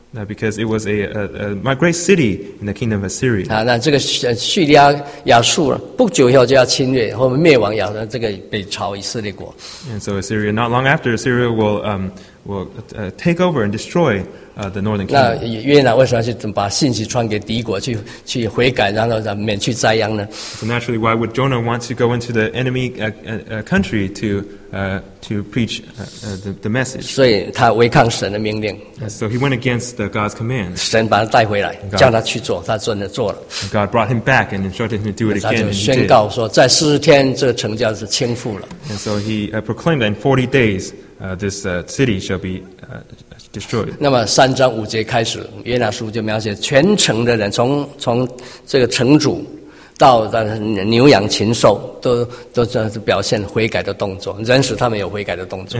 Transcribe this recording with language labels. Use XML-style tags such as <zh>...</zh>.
<en>Because it was a migrant city in the kingdom of Assyria.</en> <zh>啊，那这个叙利亚亚述不久以后就要侵略，后面灭亡亚述这个北朝以色列国。</zh> <en>And so Assyria, not long after, Assyria will take over and destroy the northern kingdom.</en> <zh>那约拿为什么要去把信息传给敌国去悔改，然后免去灾殃呢</zh> <en>？So naturally, why would Jonah want to go into the enemy country to preach the message?</en> <zh>所以他违抗神的命令。</zh> <en>So he went against God's command.</en> <zh>神把他带回来，叫他去做，他真的做了。</zh> <en>God brought him back and instructed him to do it again.</en> <zh>他就宣告说，在四十天，这个城就是倾覆了。</zh> <en>And so he proclaimed that in 40 days, this city shall be destroyed.</en> <zh>那么三章五节开始，约拿书就描写全城的人，从这个城主到牛羊禽兽都表现悔改的动作，人使他们有悔改的动作。</zh>